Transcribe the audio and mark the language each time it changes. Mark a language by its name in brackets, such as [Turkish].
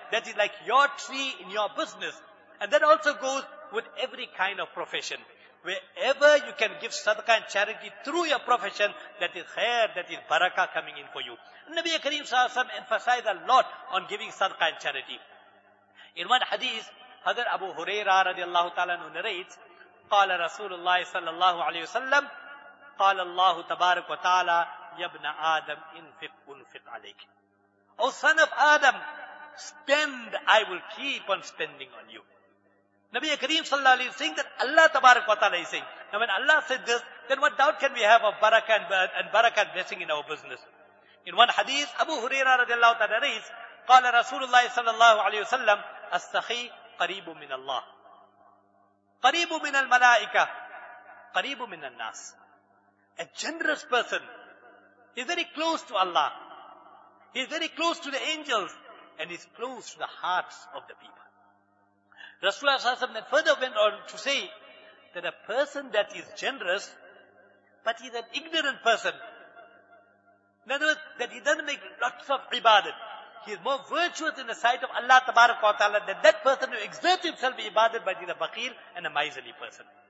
[English] That is like your tree in your business. And that also goes with every kind of profession. Wherever you can give sadaqah and charity through your profession, that is khair, that is barakah coming in for you. Nabi Kareem Sallallahu Alaihi Wasallam emphasized a lot on giving sadaqah and charity. In one hadith, Hazrat Abu Hurairah radiallahu ta'ala narrates, [Arabic] قال رسول الله صلى الله عليه وسلم قال الله تبارك وتعالى يا ابن آدم انفق انفق عليك. [English] O son of Adam, spend, I will keep on spending on you. Nabi Kareem sallallahu alayhi wa sallam is saying that Allah tabarak wa ta'ala is saying. Now when Allah said this, then what doubt can we have of barakah and blessing in our business? In one hadith, Abu Hurairah radiallahu ta'ala narrates, [Arabic] قال رسول الله صلى الله عليه وسلم السخي قريب من الله قريب من الملائكة قريب من الناس. [English] A generous person is very close to Allah, he is very close to the angels, and is close to the hearts of the people. Rasulullah sallallahu alaihi wasallam further went on to say that a person that is generous but he is an ignorant person, in other words that he doesn't make lots of ibadat, he is more virtuous in the sight of Allah tabarak wa ta'ala than that person who exerts himself in ibadat, but is a baqeel and a miserly person.